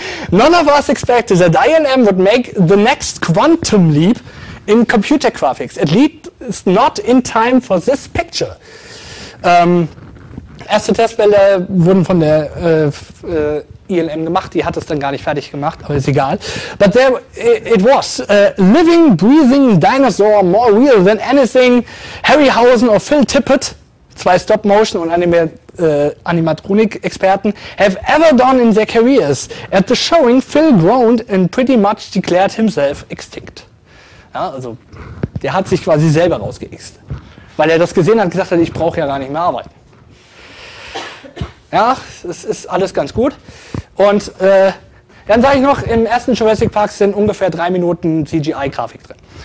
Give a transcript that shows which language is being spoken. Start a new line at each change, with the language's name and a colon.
English: None of us expected that INM would make the next quantum leap in computer graphics. At least not in time for this picture.
German: Erste Testbilder wurden von der ILM gemacht. Die hat es dann gar nicht fertig gemacht, aber ist egal.
English: But there it was. A living, breathing dinosaur more real than anything Harryhausen or Phil Tippett,
German: zwei Stop-Motion und Animatronik-Experten,
English: have ever done in their careers. At the showing, Phil groaned and pretty much declared himself extinct.
German: Ja, also, der hat sich quasi selber rausgeixt. Weil er das gesehen hat und gesagt hat, ich brauche ja gar nicht mehr arbeiten. Ja, es ist alles ganz gut. Und dann sage ich noch, im ersten Jurassic Park sind ungefähr 3 Minuten CGI-Grafik drin.